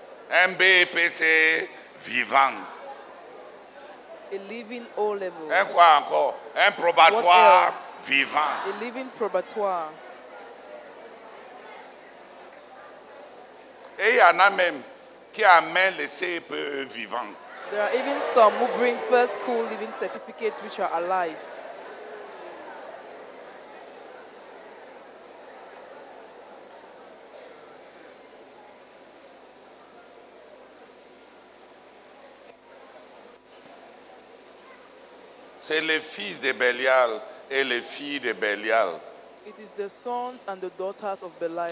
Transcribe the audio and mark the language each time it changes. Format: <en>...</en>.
<fr>Un BEPC vivant.</fr> <en>A living O-level.</en> <fr>Un quoi encore? Un probatoire vivant.</fr> <en>A living probatoire.</en> <fr>Et il y en a même qui amènent les CPE vivants.</fr> <en>There are even some who bring first school living certificates which are alive.</en> <fr>C'est les fils de Belial et les filles de Belial.</fr> <en>It is the sons and the daughters of Belial</en>